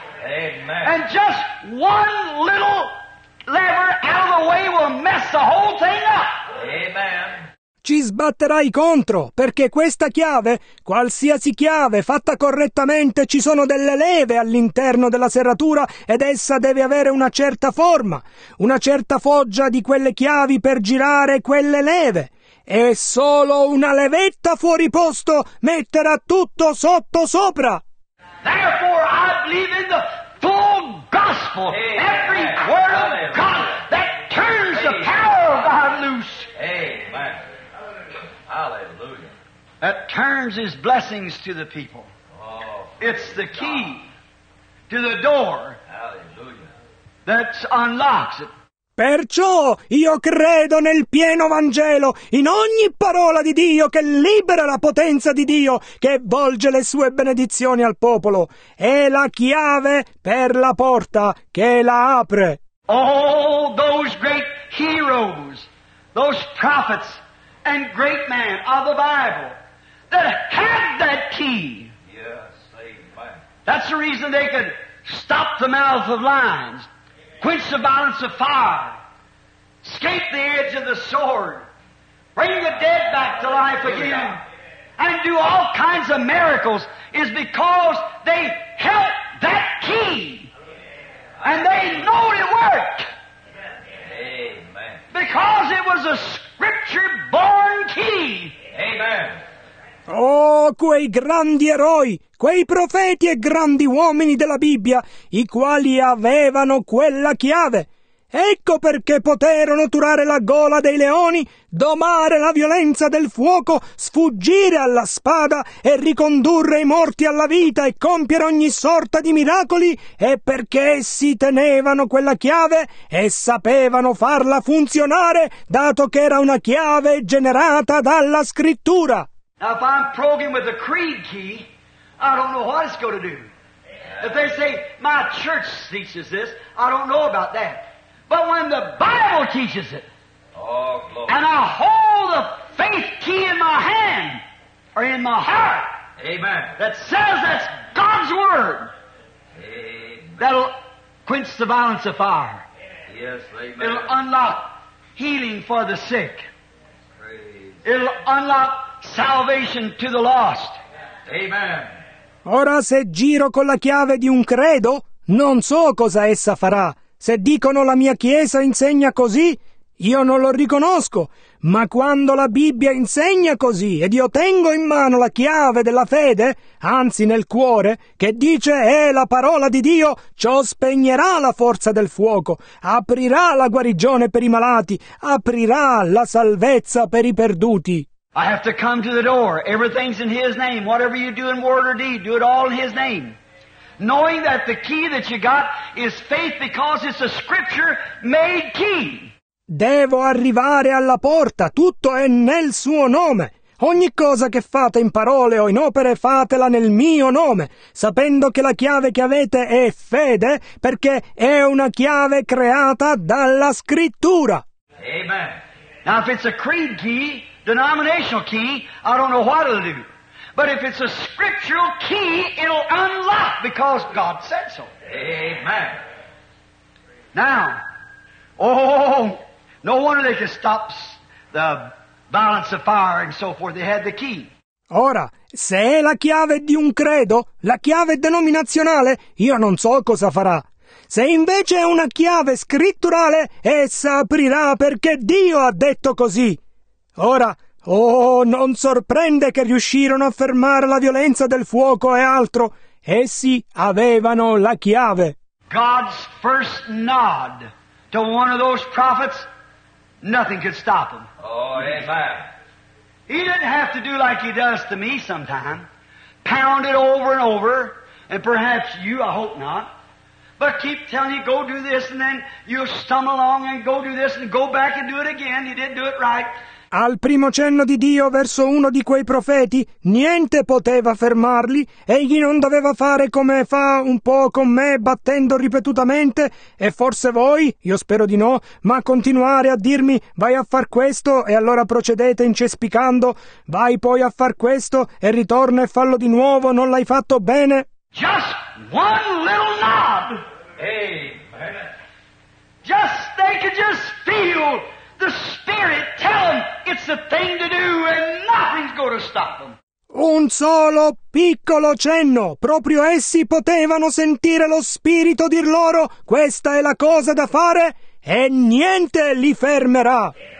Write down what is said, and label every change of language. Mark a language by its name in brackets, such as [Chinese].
[English] Amen. And just one little lever out of the way will mess the whole thing up. Amen. [Italian] Ci sbatterai contro, perché questa chiave, qualsiasi chiave fatta correttamente, ci sono delle leve all'interno della serratura ed essa deve avere una certa forma, una certa foggia di quelle chiavi per girare quelle leve. E solo una levetta fuori posto metterà tutto sotto sopra. [English] Therefore I believe in the full gospel, every word of God that turns the power of God loose. Amen. Hallelujah. That turns his blessings to the people. Oh, it's the key, God, to the door. Hallelujah. That unlocks it. [Italian] Perciò io credo nel pieno Vangelo, in ogni parola di Dio che libera la potenza di Dio, che volge le sue benedizioni al popolo. È la chiave per la porta che la apre. [English] All those great heroes, those prophets and great man of the Bible that had that key. Yes, amen. That's the reason they could stop the mouth of lions, quench the violence of fire, escape the edge of the sword, bring the dead back to life again, and do all kinds of miracles, is because they held that key. And they know it worked. Amen. Because it was a Scripture-born key. Amen. [Italian] Oh, quei grandi eroi, quei profeti e grandi uomini della Bibbia, i quali avevano quella chiave. Ecco perché poterono turare la gola dei leoni, domare la violenza del fuoco, sfuggire alla spada e ricondurre i morti alla vita e compiere ogni sorta di miracoli, e perché essi tenevano quella chiave e sapevano farla funzionare, dato che era una chiave generata dalla Scrittura. [English] Now if I'm programmed with a creed key, I don't know what it's going to do. If they say, my church teaches this, I don't know about that. But when the Bible teaches it, oh, and I hold the faith key in my hand, or in my heart, amen, that says that's God's word, amen, that'll quench the violence of fire. Yes, amen. It'll unlock healing for the sick. Praise. It'll unlock salvation to the lost. Amen. [Italian] Ora se giro con la chiave di un credo, Non so cosa essa farà. Se dicono la mia chiesa insegna così, io non lo riconosco. Ma quando la Bibbia insegna così ed io tengo in mano la chiave della fede, anzi nel cuore, che dice è la parola di Dio, ciò spegnerà la forza del fuoco, aprirà la guarigione per i malati, aprirà la salvezza per i perduti. [English] I have to come to the door. Everything's in His name. Whatever you do in word or deed, do it all in His name. Knowing that the key that you got is faith because it's a scripture made key. [Italian] Devo arrivare alla porta, tutto è nel suo nome. Ogni cosa che fate in parole o in opere fatela nel mio nome, sapendo che la chiave che avete è fede, perché è una chiave creata dalla scrittura. [English] Amen. Now if it's a creed key, denominational key, I don't know what it'll do. But if it's a scriptural key, it'll unlock because God said so. Amen. Now, oh, no wonder they could stop the balance of fire and so forth. They had the key. [Italian] Ora, se è la chiave di un credo, la chiave denominazionale, io non so cosa farà. Se invece è una chiave scritturale, essa aprirà perché Dio ha detto così. Ora, oh, non sorprende che riuscirono a fermare la violenza del fuoco e altro. Essi avevano la chiave. [English] God's first nod to one of those prophets, nothing could stop him. Oh, amen. He didn't have to do like he does to me sometime, pound it over and over, and perhaps you, I hope not, but keep telling you, go do this, and then you'll stumble along and go do this, and go back and do it again. He didn't do it right. [Italian] Al primo cenno di Dio verso uno di quei profeti, niente poteva fermarli, egli non doveva fare come fa un po' con me, battendo ripetutamente, e forse voi, io spero di no, ma continuare a dirmi, vai a far questo, e allora procedete incespicando, vai poi a far questo, e ritorna e fallo di nuovo, non l'hai fatto bene. [English] Just one little nod! Amen. Just, they could just feel the Spirit tell them it's the thing to do and nothing's going to stop them. [Italian] Un solo piccolo cenno. Proprio essi potevano sentire lo Spirito dir loro questa è la cosa da fare e niente li fermerà.